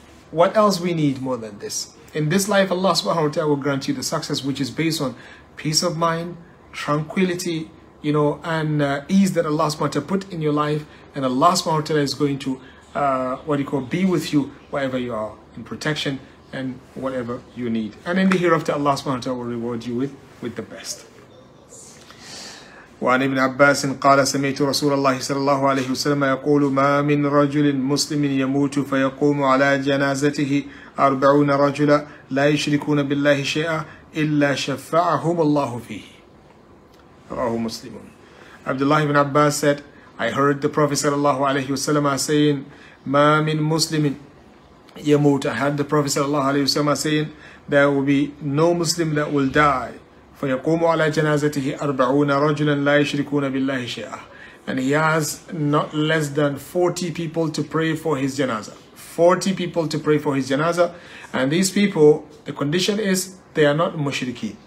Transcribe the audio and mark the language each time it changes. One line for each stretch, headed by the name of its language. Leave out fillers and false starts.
English: What else we need more than this? In this life, Allah subhanahu wa ta'ala will grant you the success which is based on peace of mind, tranquility, you know, and ease that Allah subhanahu wa ta'ala put in your life, and Allah subhanahu wa ta'ala is going to be with you wherever you are, in protection and whatever you need. And in the hereafter, Allah subhanahu wa ta'ala will reward you with the best.
Arabic: وعن ابن عباس قال سمعت رسول الله صلى الله عليه وسلم يقول ما من رجل مسلم يموت فيقوم على جنازته 40 رجلا لا يشركون بالله شيئا إلا شفعهم الله فيه رواه مسلم. عبد الله بن عباس
English: said, I heard the Prophet
Arabic: صلى الله عليه وسلم
English: saying,
Arabic: ما من مسلم يموت.
English: I heard the Prophet صلى الله عليه وسلم saying, there will be no Muslim that will die.
Arabic: فَيَقُومُ عَلَى جَنَازَتِهِ أَرْبَعُونَ رَجُلًا لَا يَشْرِكُونَ بِاللَّهِ شَيْئًا.
English: And he has not less than 40 people to pray for his janazah. 40 people to pray for his janazah. And these people, the condition is, they are not mushrikeen.